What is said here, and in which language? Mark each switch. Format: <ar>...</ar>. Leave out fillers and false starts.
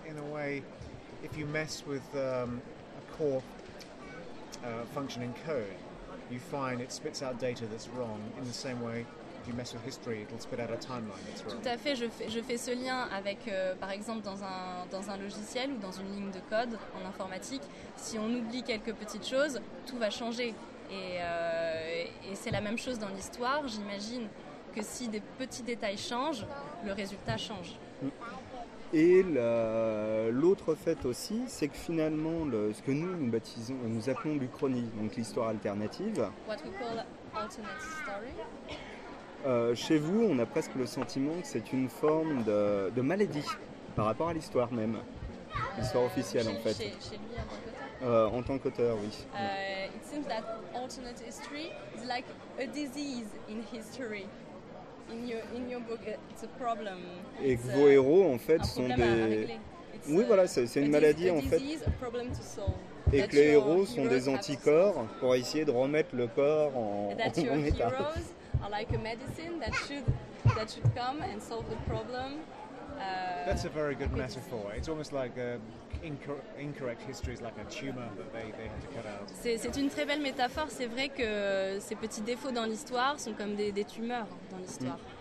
<en>In a way, if you mess with a core functioning code, you find it spits out data that's wrong. In the same way, if you mess with history, it'll spit out a timeline that's wrong.</en> <fr>Tout à fait. Je fais ce lien avec, par exemple, dans un logiciel ou dans une ligne de code en informatique. Si on oublie quelques petites choses, tout va changer. Et c'est la même chose dans l'histoire. J'imagine que si des petits détails changent, le résultat change. Et l'autre fait aussi, c'est que finalement, ce que nous baptisons, nous appelons l'Uchronie, donc l'histoire alternative.</fr> <en>What we call alternate story.</en> <fr>Chez vous, on a presque le sentiment que c'est une forme de maladie par rapport à l'histoire même, l'histoire officielle en fait. Chez lui, en tant qu'auteur. En tant qu'auteur, oui.</fr> <en>It seems that alternate history is like a disease in history. In your book, it's a problem.</en> <fr>Et que vos héros, en fait, sont des... Oui, voilà, c'est une maladie, en fait.</fr> <en>A problem to solve.</en> <fr>Et que les héros sont des anticorps pour essayer de remettre le corps en état.</fr> <en>That your heroes are like a medicine that should come and solve the problem. That's a very good metaphor. It's almost like incorrect history is like a tumor that they have to cut out.</en> <fr>C'est une très belle métaphore. C'est vrai que ces petits défauts dans l'histoire sont comme des tumeurs dans l'histoire.</fr>